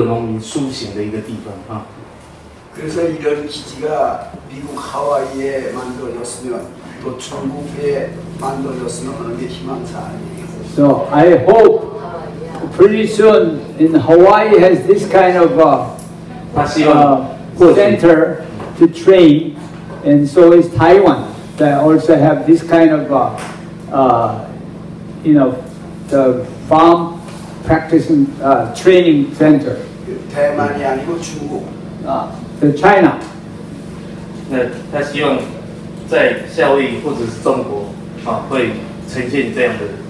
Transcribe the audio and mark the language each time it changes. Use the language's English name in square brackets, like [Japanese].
[Chinese] 这个是可以唤醒所有农民苏醒的一个地方啊。 [Korean] 그래서 이런 기지가 미국 하와이에 만들어졌으면 또 중국에 만들어졌으면 그런 게 희망사항이. [English] So I hope pretty soon in Hawaii has this kind of center to train, and so is Taiwan that also have this kind of the farm practicing training center. [Korean] 대만이 아니고 중국. [English] The China. [Chinese] 那他希望在夏威夷或者是中国会呈现这样的。